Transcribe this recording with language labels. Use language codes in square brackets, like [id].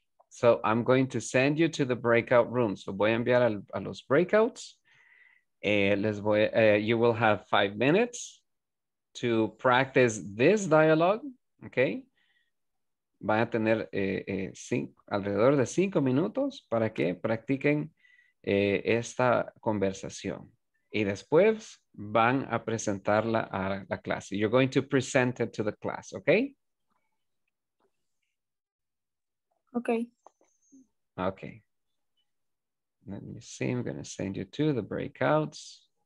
[en] So I'm going to send you to the breakout rooms. So [es] voy a enviar a los breakouts. [en] You will have 5 minutes to practice this dialogue, okay? [es] Van a tener alrededor de 5 minutos para que practiquen esta conversación. Y después van a presentarla a la clase. [en] You're going to present it to the class, okay? Okay. Okay. Let me see. I'm going to send you to the breakouts.